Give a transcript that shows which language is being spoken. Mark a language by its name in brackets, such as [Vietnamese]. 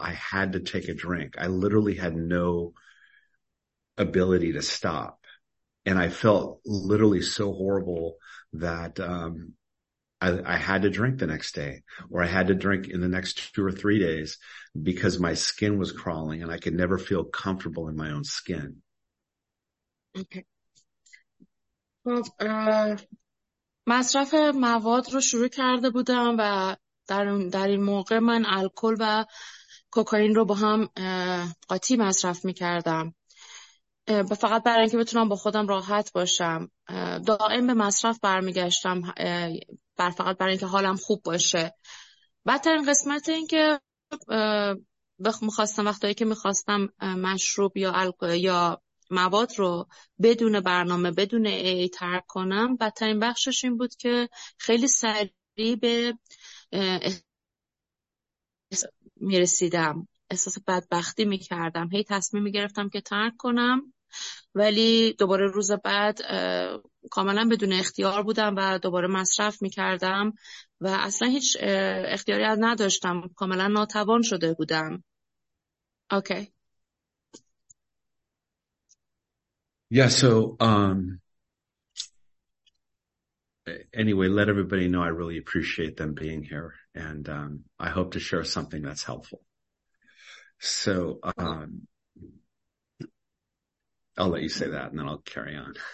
[English] I had to take a drink. I literally had no ability to stop. And I felt literally so horrible that I had to drink the next day, or I had to drink in the next 2 or 3 days because my skin was crawling and I could never feel comfortable in my own skin. Okay. [Persian] خب مصرف مواد رو شروع کرده بودم و در این موقع من الکل و کوکائین رو با هم قاطی مصرف می‌کردم. فقط برای اینکه بتونم با خودم راحت باشم، دائم به مصرف برمیگشتم، فقط برای اینکه حالم خوب باشه. بدترین قسمت این که می‌خواستم وقتی که می‌خواستم مشروب یا الکل یا مواد رو بدون برنامه بدون AA ترک کنم، بدترین بخشش این بود که خیلی سریع به می‌رسیدم، احساس بدبختی می‌کردم، هی تصمیم می‌گرفتم که ترک کنم، ولی دوباره روز بعد کاملا بدون اختیار بودم و دوباره مصرف میکردم و اصلا هیچ اختیاری از نداشتم، کاملا ناتوان شده بودم. [English] Okay. Yeah, so anyway, let everybody know I really appreciate them being here And I hope to share something that's helpful. So I'll let you say that and then I'll carry on.